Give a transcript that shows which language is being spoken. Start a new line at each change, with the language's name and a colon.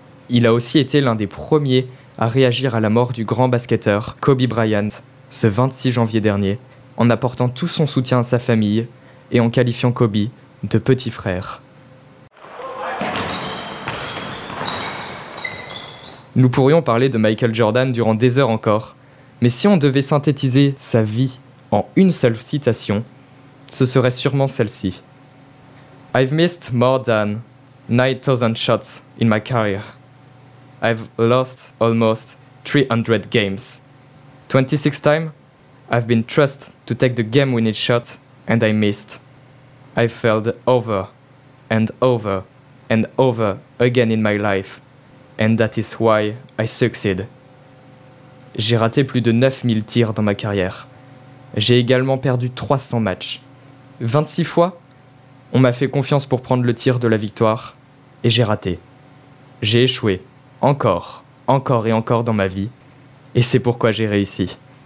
French: Il a aussi été l'un des premiers à réagir à la mort du grand basketteur Kobe Bryant ce 26 janvier dernier, en apportant tout son soutien à sa famille et en qualifiant Kobe de petit frère. Nous pourrions parler de Michael Jordan durant des heures encore, mais si on devait synthétiser sa vie en une seule citation, ce serait sûrement celle-ci.
English: I've missed more than 9,000 shots in my career. I've lost almost 300 games. 26 times, I've been trusted to take the game-winning shot and I missed. I've failed over and over and over again in my life. And that is why I succeed.
French: J'ai raté plus de 9000 tirs dans ma carrière. J'ai également perdu 300 matchs. 26 fois, on m'a fait confiance pour prendre le tir de la victoire, et j'ai raté. J'ai échoué, encore, encore et encore dans ma vie, et c'est pourquoi j'ai réussi.